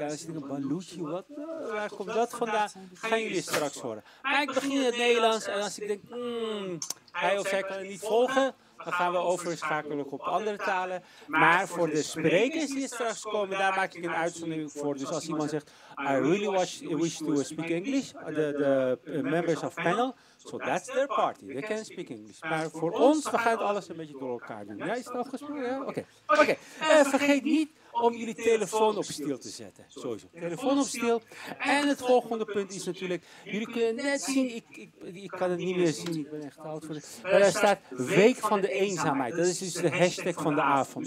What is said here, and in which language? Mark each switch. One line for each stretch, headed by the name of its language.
Dutch: En als je denkt, Baluchi, wat? Waar komt dat vandaan? Gaan jullie straks horen. Maar ik begin in het Nederlands en als ik denk, hij of zij kan het niet volgen, dan gaan we overschakelen op andere talen. Maar voor de sprekers die straks komen, daar maak ik een uitzondering voor. Dus als iemand zegt,
English: I really wish to speak English, the members of panel, so that's their party, they can speak English.
Dutch: Maar voor ons, we gaan het alles een beetje door elkaar doen. Ja, is het afgesproken? Ja? Oké. Okay. Vergeet niet om jullie telefoon op stil te zetten. Sowieso. Telefoon op stil. En het volgende punt is natuurlijk, jullie kunnen net zien, ik kan het niet meer zien, ik ben echt oud voor de. Maar daar staat Week van de Eenzaamheid. Dat is dus de hashtag van de avond.